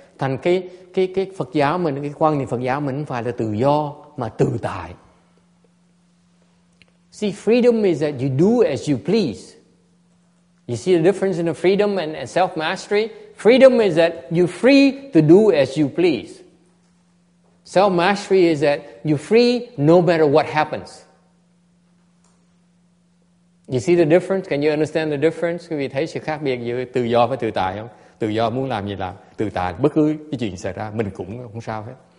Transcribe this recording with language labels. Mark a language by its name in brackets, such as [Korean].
[Vietnamese] Thành cái Phật giáo mình, cái quan niệm Phật giáo mình không phải là tự do, mà tự tại. [English] See, freedom is that you do as you please. You see the difference in the freedom and self-mastery? Freedom is that you're free to do as you please. Self-mastery is that you're free no matter what happens. You see the difference? Can you understand the difference? [Vietnamese] Quý vị thấy sự khác biệt giữa tự do và tự tại không? Tự do muốn làm gì làm, tự tại bất cứ cái chuyện xảy ra mình cũng không sao hết.